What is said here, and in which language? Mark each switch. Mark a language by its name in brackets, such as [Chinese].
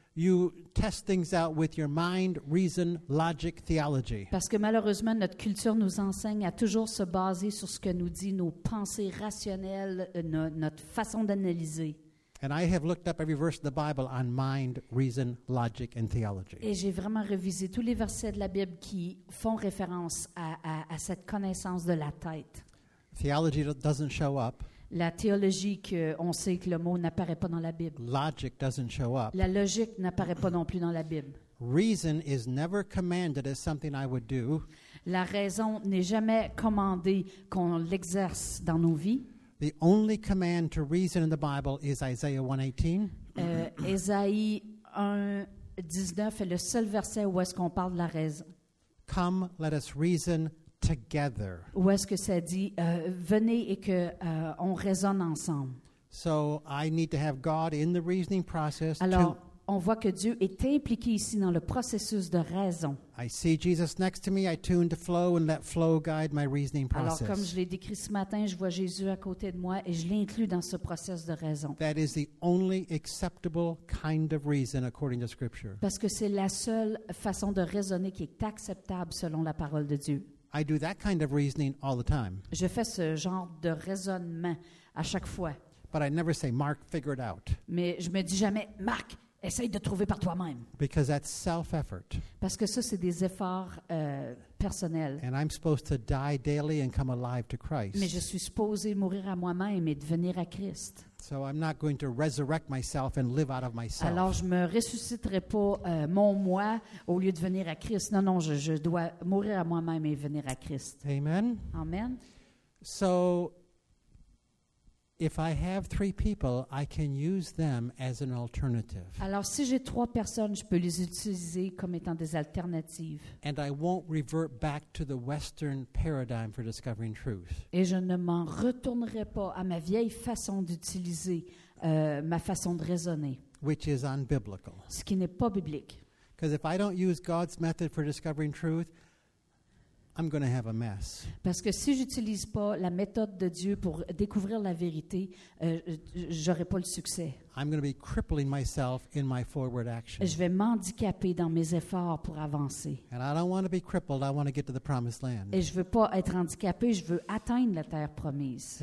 [English] you test things out with your mind, reason, logic, theology. [French] Parce que malheureusement, notre culture nous enseigne à toujours se baser sur ce que nous dit nos pensées rationnelles, notre façon d'analyser. [English] And I have looked up every verse of the Bible on mind, reason, logic, and theology. [French] Et j'ai vraiment révisé tous les versets de la Bible qui font référence à cette connaissance de la tête. [English] Theology doesn't show up. [French] La théologie que on sait que le mot n'apparaît pas dans la Bible. [English] Logic doesn't show up. [French] La logique n'apparaît pas non plus dans la Bible. [English] Reason is never commanded as something I would do. [French] La raison n'est jamais commandée qu'on l'exerce dans nos vies. [English] The only command to reason in the Bible is Isaiah 1:18. [French] Ésaïe 1:19 est le seul verset où est-ce qu'on parle de la raison. [English] Come, let us reason together. [French] Où est-ce que ça dit venez et que on raisonne ensemble. [English] So I need to have God in the reasoning process. [French] Alors, on voit que Dieu est impliqué ici dans le processus de raison. [English] I see Jesus next to me, I tune to flow and let flow guide my reasoning process. [French] Alors comme je l'ai décrit ce matin, je vois Jésus à côté de moi et je l'inclus dans ce processus de raison. [English] That is the only acceptable kind of reason according to scripture. [French] Parce que c'est la seule façon de raisonner qui est acceptable selon la parole de Dieu. [English] I do that kind of reasoning all the time. [French] Je fais ce genre de raisonnement à chaque fois. [English] But I never say Mark figure it out. [French] Mais je me dis jamais Marc essaye de trouver par toi-même. [English] Because that's self-effort. [French] Parce que ça, c'est des efforts personnels. [English] And I'm supposed to die daily and come alive to Christ. [French] Mais je suis supposé mourir à moi-même et devenir à Christ. [English] So I'm not going to resurrect myself and live out of myself. [French] Alors je me ressusciterai pas mon moi au lieu de venir à Christ. Non, non, je dois mourir à moi-même et venir à Christ. [English] Amen. [French] Amen. [English] So if I have three people, I can use them as an alternative. [French] Alors si j'ai trois personnes, je peux les utiliser comme étant des alternatives. [English] And I won't revert back to the Western paradigm for discovering truth. [French] Et je ne m'en retournerai pas à ma vieille façon d'utiliser ma façon de raisonner. [English] Which is unbiblical. [French] Ce qui n'est pas biblique. [English] Because if I don't use God's method for discovering truth, I'm going to have a mess. [French] Parce que si j'utilise pas la méthode de Dieu pour découvrir la vérité, j'aurai pas le succès. [English] I'm going to be crippling myself in my forward action. [French] Je vais m'handicaper dans mes efforts pour avancer. [English] And I don't want to be crippled, I want to get to the promised land. [French] Et je veux pas être handicapé, je veux atteindre la terre promise.